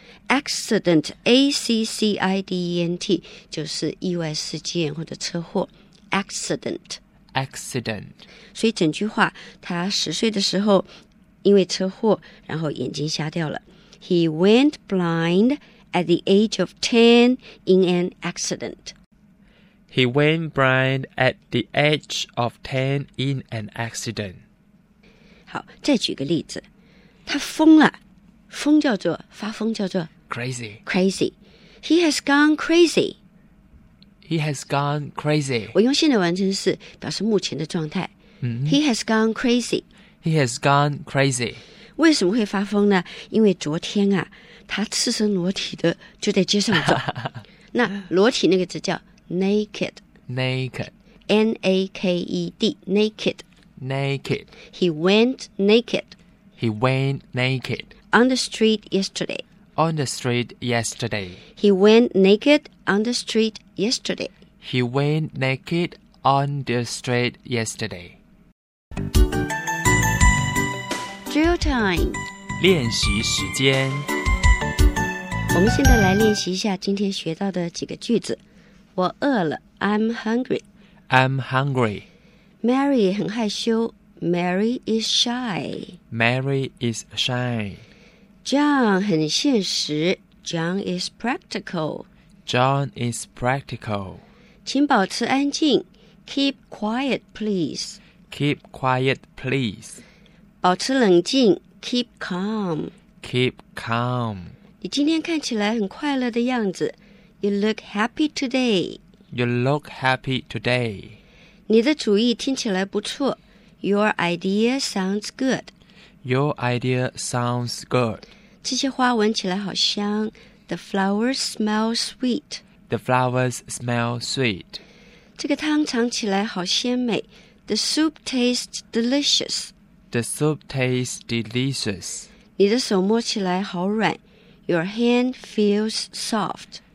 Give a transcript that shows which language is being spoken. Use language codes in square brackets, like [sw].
[en] accident a c c i d e n t [zh] 就是意外事件或者车祸 accident。 [en] Accident. [zh] 所以整句话，他十岁的时候因为车祸，然后眼睛瞎掉了。 [en] He went blind at the age of 10 in an accident. He went blind at the age of 10 in an accident. [zh] 好，再举个例子，他疯了，疯叫做发疯叫做 [en] crazy. Crazy. He has gone crazy. He has gone crazy. [zh] 我用现在完成式表示目前的状态。 [en] He has gone crazy. He has gone crazy. [zh] 为什么会发疯呢？因为昨天啊，他赤身裸体的就在街上走。那裸体那个字叫 naked. [en] Naked. N-A-K-E-D. Naked. Naked. He went naked. He went naked. On the street yesterday. On the street yesterday. He went naked on the street yesterday. He went naked on the street yesterday. Drill time. [zh] 练习时间。我们现在来练习一下今天学到的几个句子。我饿了 [en] ,I'm hungry. I'm hungry. Mary [zh] 很害羞 [en] ,Mary is shy. Mary is shy. John [zh] 很现实 [en] John is practical. John is practical. [zh] 请保持安静 [en] Keep quiet, please. Keep quiet, please. [zh] 保持冷静 [en] Keep calm. Keep calm. [zh] 你今天看起来很快乐的样子 [en] You look happy today. You look happy today. [zh] 你的主意听起来不错 [en] Your idea sounds good. Your idea sounds good. [zh] 这些花闻起来好香。 [en] The flowers smell sweet. The flowers smell sweet. [zh] 这个汤尝起来好鲜美。 [en] The soup tastes delicious. The soup tastes delicious. [zh] 你的手摸起来好软。 [en] Your hand feels soft.